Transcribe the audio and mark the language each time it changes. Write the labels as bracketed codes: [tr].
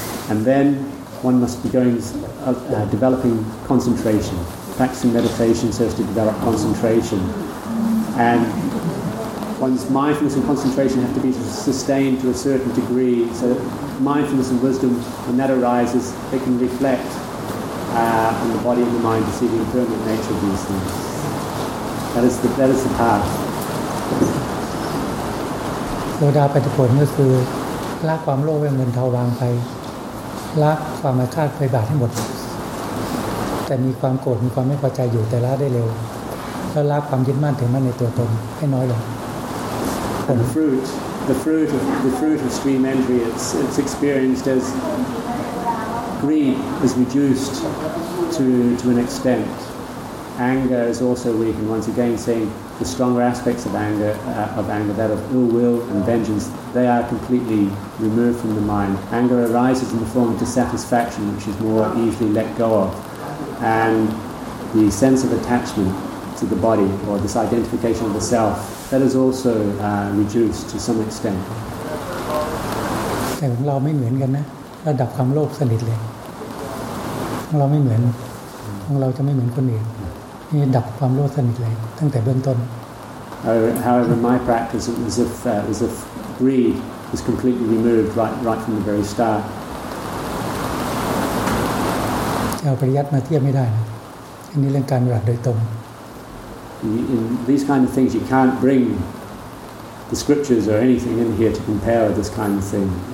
[en] And then one must be going, developing concentration, practicing meditation so as to develop concentration. And... One's mindfulness and concentration have to be sustained to a certain degree. So mindfulness and wisdom, when that arises, they can reflect on the body and the mind to see the impermanent nature of these things. That is the path. [th] โสดาปัตติผลก็คือละความโลภให้เงินเทาบางไปละความอาฆาตพยาบาทให้หมด แต่มีความโกรธมีความไม่พอใจอยู่แต่ละได้เร็วแล้วละความยึดมั่นถือมั่นในตัวตนให้น้อยลง [en] And the fruit of stream entry it's experienced as greed is reduced to an extent. Anger is also weakened. Once again, saying the stronger aspects of anger, that of ill will and vengeance, they are completely removed from the mind. Anger arises in the form of dissatisfaction, which is more easily let go of, and the sense of attachment to the body or this identification of the self that is also reduced to some extent. [th] แต่ของเราไม่เหมือนกันนะระดับความโลภสนิทเลยของเราไม่เหมือนของเราจะไม่เหมือนคนอื่นนี่ดับความโลภสนิทเลยตั้งแต่เบื้องต้น [en] However, in my practice, it was as if greed was completely removed right from the very start. [th] เอาปริยัติมาเทียบไม่ได้นะอันนี้เรื่องการปฏิบัติโดยตรง [en] In these kind of things, you can't bring the scriptures or anything in here to compare with this kind of thing.